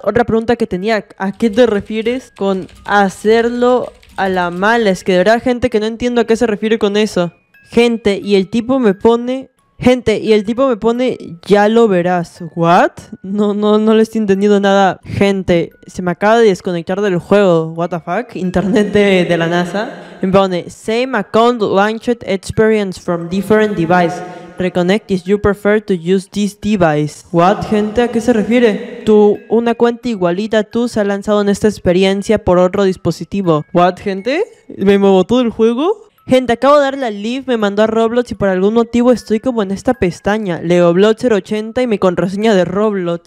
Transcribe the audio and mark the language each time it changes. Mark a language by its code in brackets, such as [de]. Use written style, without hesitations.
[es] Otra pregunta que tenía, ¿a qué te refieres con hacerlo a la mala? Es que de verdad, gente, que no entiendo a qué se refiere con eso. Gente, y el tipo me pone... Gente, y el tipo me pone, ya lo verás. ¿What? No le estoy entendiendo nada. Gente, se me acaba de desconectar del juego. [en] What the fuck? [es] Internet de la NASA. [en] Y me pone, same account launched experience from different device. Reconnect if you prefer to use this device. [es] What, gente? ¿A qué se refiere? Tú, una cuenta igualita a tú se ha lanzado en esta experiencia por otro dispositivo. What, gente? ¿Me muevo todo el juego? Gente, acabo de darle al leave, me mandó a Roblox y por algún motivo estoy como en esta pestaña. Leoblot 080 y mi contraseña de Roblox.